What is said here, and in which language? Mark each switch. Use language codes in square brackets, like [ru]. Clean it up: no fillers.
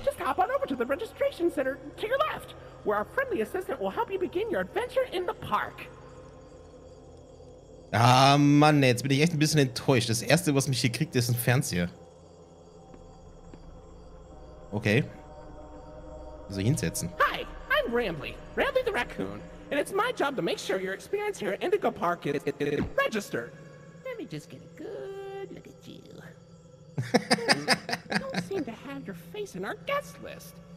[en] Just hop on over to the registration center to your left, where our friendly assistant will help you begin your adventure in the park. [de] Ah, Mann, jetzt bin ich echt ein bisschen enttäuscht. Das erste, was mich hier kriegt, ist ein Fernseher. Okay. Also hinsetzen. [en] Hi, I'm Rambly, Rambly the Raccoon, and it's my job to make sure your experience here at Indigo Park is registered. Let me just get a good look at you. You don't seem to have your face in our guest list.